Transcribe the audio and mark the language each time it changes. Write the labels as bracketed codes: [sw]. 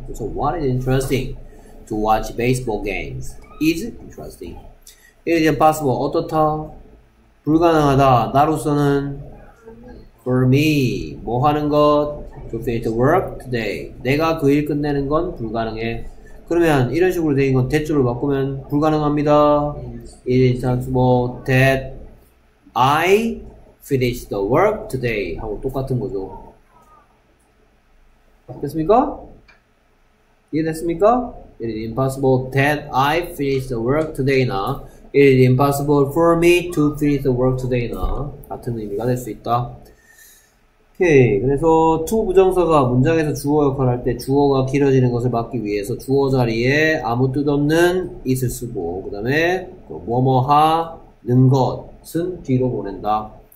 [en] 그래서 What is interesting? To watch baseball games is interesting. It is impossible. [ko] 어떻다? 불가능하다. 나로서는? [en] For me. [ko] 뭐 하는 것? [en] To finish the work today. [ko] 내가 그 일 끝내는 건 불가능해. 그러면 이런 식으로 된 건 대조를 바꾸면 불가능합니다. [en] It is impossible that I finish the work today. [ko] 하고 똑같은 거죠. 됐습니까? 이해됐습니까? [en] It is impossible that I finish the work today나 It is impossible for me to finish the work today. [ko] 나 같은 의미가 될 수 있다. 오케이. 그래서 to 부정사가 문장에서 주어 역할을 할 때 주어가 길어지는 것을 막기 위해서 주어 자리에 아무 뜻 없는 it을 쓰고 그 다음에 뭐뭐 하는 것은 뒤로 보낸다.